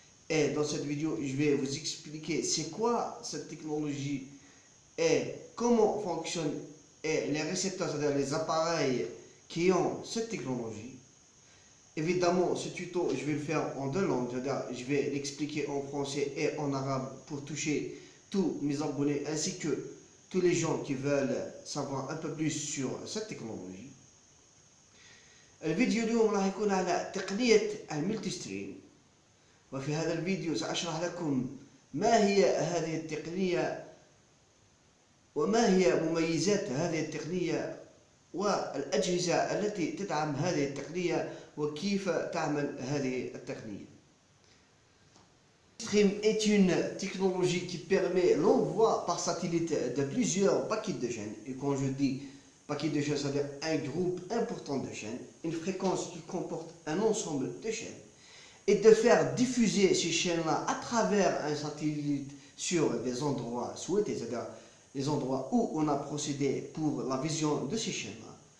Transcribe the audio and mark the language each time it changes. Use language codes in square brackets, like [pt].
[fr] Et dans cette vidéo, je vais vous expliquer c'est quoi cette technologie et comment fonctionnent les récepteurs, c'est-à-dire les appareils qui ont cette technologie. Évidemment, ce tuto, je vais le faire en deux langues, c'est-à-dire je vais l'expliquer en français et en arabe pour toucher tous mes abonnés ainsi que tous les gens qui veulent savoir un peu plus sur cette technologie. [ar] الفيديو اليوم راح يكون على تقنية الملتي ستريم، وفي هذا الفيديو سأشرح لكم ما هي هذه التقنية وما هي مميزات هذه التقنية والأجهزة التي تدعم هذه التقنية وكيف تعمل هذه التقنية. [fr] Stream est une technologie qui permet l'envoi par satellite de plusieurs paquets de chaînes. Et quand je dis paquet de chaînes, c'est-à-dire un groupe important de chaînes, une fréquence qui comporte un ensemble de chaînes, et de faire diffuser ces chaînes-là à travers un satellite sur des endroits souhaités, c'est-à-dire les endroits où on a procédé pour la vision de ces chaînes-là.